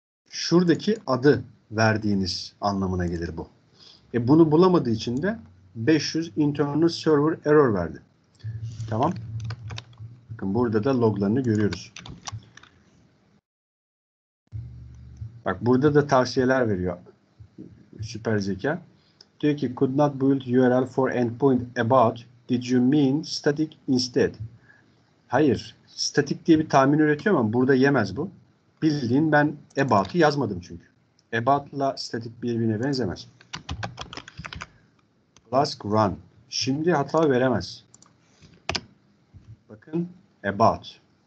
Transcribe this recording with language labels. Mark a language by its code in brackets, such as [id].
[tr] Şuradaki adı verdiğiniz anlamına gelir bu. E bunu bulamadığı için de 500 internal server error verdi. Tamam. Bakın burada da loglarını görüyoruz. Bak burada da tavsiyeler veriyor. Süper zeka. Diyor ki [en] could not build URL for endpoint about. Did you mean static instead? [tr] Hayır. Static diye bir tahmin üretiyor ama burada yemez bu. Bildiğin ben about'ı yazmadım çünkü. About'la static birbirine benzemez. Flask run. Şimdi hata veremez. Bakın about.